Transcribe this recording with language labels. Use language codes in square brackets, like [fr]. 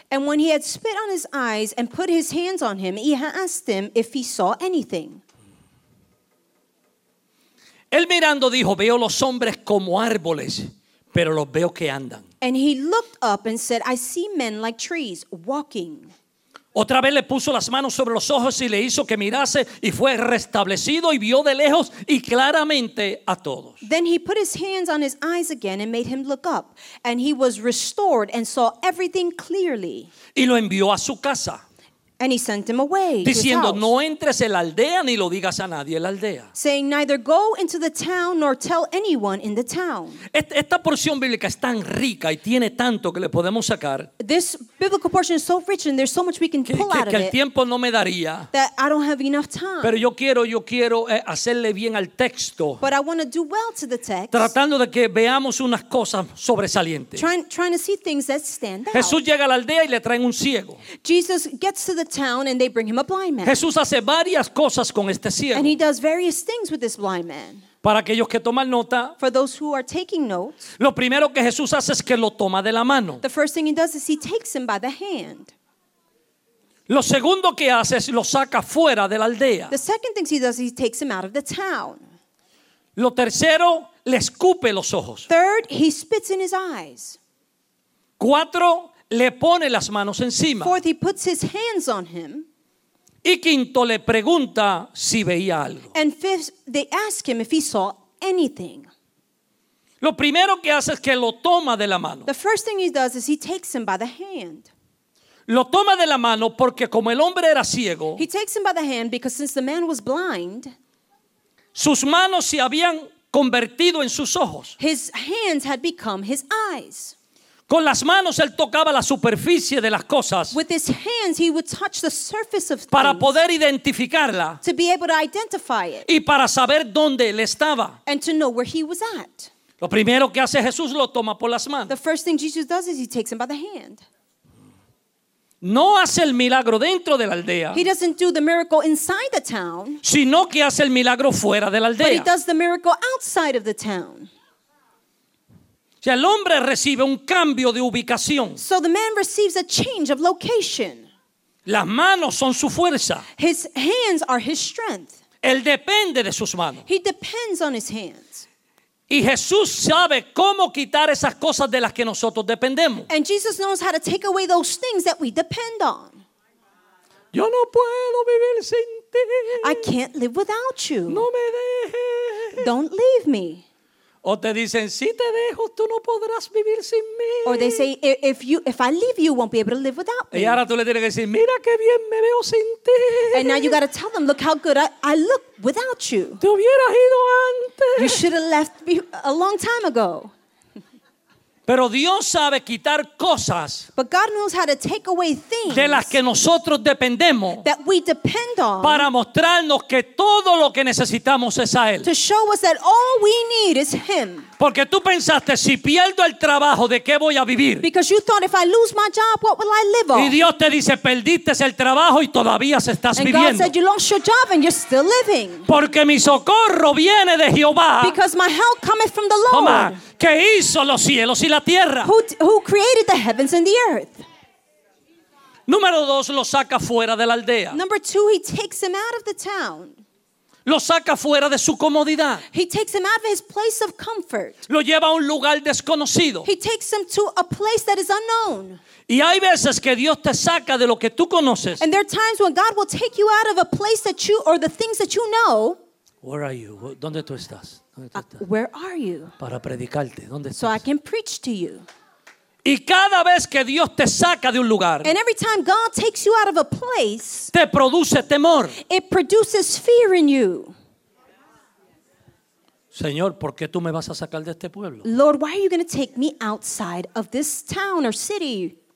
[en] And when he had spit on his eyes and put his hands on him, he asked him if he saw anything. [es] Él mirando dijo, veo los hombres como árboles, pero los veo que andan. [en] And he looked up and said, I see men like trees walking. [es] Otra vez le puso las manos sobre los ojos y le hizo que mirase y fue restablecido y vio de lejos y claramente a todos. [en] Then he put his hands on his eyes again and made him look up and he was restored and saw everything clearly. [es] Y lo envió a su casa. [en] And he sent him away. [es] Diciendo, no entres en la aldea ni lo digas a nadie en la aldea. [en] Saying, neither go into the town nor tell anyone in the town. [es] Esta porción bíblica es tan rica y tiene tanto que le podemos sacar. [en] This biblical portion is so rich and there's so much we can pull out of it. [es] Que el tiempo no me daría. [en] That I don't have enough time. [es] Pero yo quiero hacerle bien al texto. [en] But I want to do well to the text. [es] Tratando de que veamos unas cosas sobresalientes. [en] Trying to see things that stand out. [es] Jesús llega a la aldea y le traen un ciego. [en] Jesus gets to the town and they bring him a blind man. [es] Jesús hace varias cosas con este ciego. [en] And he does various things with this blind man. [es] Para aquellos que toman nota, [en] for those who are taking notes, [es] lo primero que Jesús hace es que lo toma de la mano. [en] The first thing he does is he takes him by the hand. [es] Lo segundo que hace es lo saca fuera de la aldea. [en] The second thing he does is he takes him out of the town. [es] Lo tercero, le escupe los ojos. [en] Third, he spits in his eyes. [es] Cuatro, le pone las manos encima. [en] Fourth, he puts his hands on him. [es] Y quinto, le pregunta si veía algo. [en] And fifth, they ask him if he saw anything. [es] Lo primero que hace es que lo toma de la mano. [en] The first thing he does is he takes him by the hand. [es] Lo toma de la mano porque como el hombre era ciego, [en] he takes him by the hand because since the man was blind, [es] sus manos se habían convertido en sus ojos. [en] His hands had become his eyes. [es] Con las manos él tocaba la superficie de las cosas. [en] With his hands he would touch the surface of things. [es] Para poder identificarla. [en] To be able to identify it. [es] Y para saber dónde él estaba. [en] And to know where he was at. [es] Lo primero que hace Jesús lo toma por las manos. [en] The first thing Jesus does is he takes him by the hand. [es] No hace el milagro dentro de la aldea. [en] He doesn't do the miracle inside the town. [es] Sino que hace el milagro fuera de la aldea. [en] But he does the miracle outside of the town. [es] Si el hombre recibe un cambio de ubicación. [en] So the man receives a change of location. [es] Las manos son su fuerza. [en] His hands are his strength. [es] Él depende de sus manos. [en] He depends on his hands. [es] Y Jesús sabe cómo quitar esas cosas de las que nosotros dependemos. [en] And Jesus knows how to take away those things that we depend on. [es] Yo no puedo vivir sin ti. [en] I can't live without you. [es] No me dejes. [en] Don't leave me. [es] O te dicen, si te dejo, tú no podrás vivir sin mí. [en] Or they say, if I leave you, you won't be able to live without me. [es] Y ahora tú le tienes que decir, mira qué bien me veo sin ti. [en] And now you got to tell them, look how good I look without you. [es] Te hubieras ido antes. [en] You should have left me a long time ago. [es] Pero Dios sabe quitar cosas. [en] But God knows how to take away things. [es] De las que nosotros dependemos. [en] That we depend on. [es] Para mostrarnos que todo lo que necesitamos es a Él. [en] To show us that all we need is Him. [es] Porque tú pensaste, si pierdo el trabajo, ¿de qué voy a vivir? [en] Because you thought, if I lose my job, what will I live on? [es] Y Dios te dice, perdiste el trabajo y todavía estás viviendo. [en] And God said, you lost your job and you're still living. [es] Porque mi socorro viene de Jehová. [en] Because my help cometh from the Lord. [es] Toma, que hizo los cielos y la tierra. [en] Who created the heavens and the earth. [es] Número dos, lo saca fuera de la aldea. [en] Number two, he takes him out of the town. [es] Lo saca fuera de su comodidad. [en] He takes him out of his place of comfort. [es] Lo lleva a un lugar desconocido. [en] He takes him to a place that is unknown. [es] Y hay veces que Dios te saca de lo que tú conoces. [en] And there are times when God will take you out of a place that you or the things that you know. Where are you? [es] ¿Dónde tú estás? ¿Dónde tú estás? [en] Where are you? [es] Para predicarte. ¿Dónde estás? [en] So I can preach to you. [es] Y cada vez que Dios te saca de un lugar, [en] and every time God takes you out of a place, [es] te produce temor. [en] It produces fear in you. [es] Señor, ¿por qué tú me vas a sacar de este pueblo? [en] Lord, why are you going to take me outside of this town or city?